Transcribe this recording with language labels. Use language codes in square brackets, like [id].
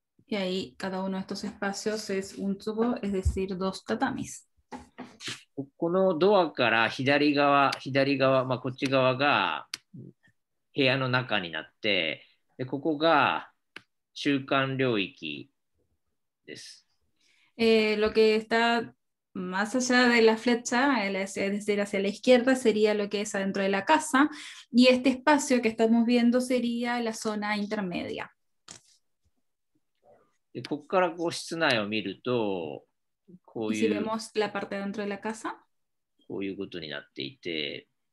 [es] y ahí cada uno de estos espacios es un tsubo, es decir, dos tatamis. [ja] このドアから左側、まあこっち側が 部屋の中になって、ここが中間領域です。 [es] Lo que está más allá de la flecha, es decir, hacia la izquierda, sería lo que es adentro de la casa, y este espacio que estamos viendo sería la zona intermedia. [ja] ここからこう室内を見ると、こういう。 [es] Si vemos la parte de dentro de la casa, [ja] こういうことになっていて。